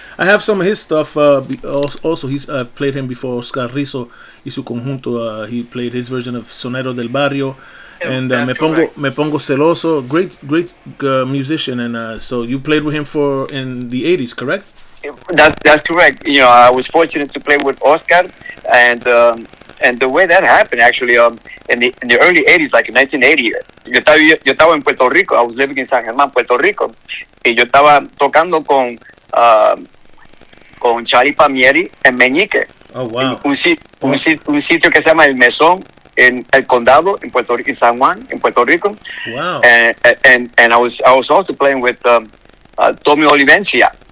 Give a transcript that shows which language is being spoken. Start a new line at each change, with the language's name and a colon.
English: I have some of his stuff, also he's, I've played him before, Oscar Rizzo y su conjunto, he played his version of Sonero del Barrio, and
Spanish: me pongo celoso,
English: great musician, and so you played with him for in the 80s, correct? That's correct, you know, I was fortunate to play with Oscar, and the way that happened, actually, in the early 80s, like in 1980,
Spanish: yo estaba en Puerto Rico.
English: I was living in San Germán, Puerto Rico.
Spanish: Y yo estaba tocando con Charlie Palmieri en Meñique.
English: Oh, wow.
Spanish: Un sitio que se llama El Mesón, en El Condado, en Puerto Rico, en San Juan, en Puerto Rico.
English: Wow. And I was also playing with Tommy Olivencia.